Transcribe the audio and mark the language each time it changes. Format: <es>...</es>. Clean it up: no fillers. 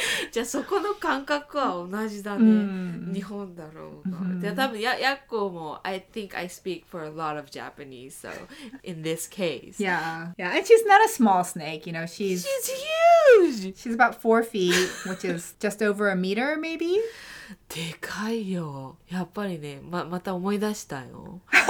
<ja>じゃあそこの感覚は同じだね。日本だろうが。じゃあ多分ヤッコも、</ja> <en>I think I speak for a lot of Japanese, so in this case. Yeah, yeah, and she's not a small snake, you know, she's huge! She's about 4 feet, which is just over a meter, maybe?</en> <ja>でかいよ。やっぱりね、また思い出したよ。</ja>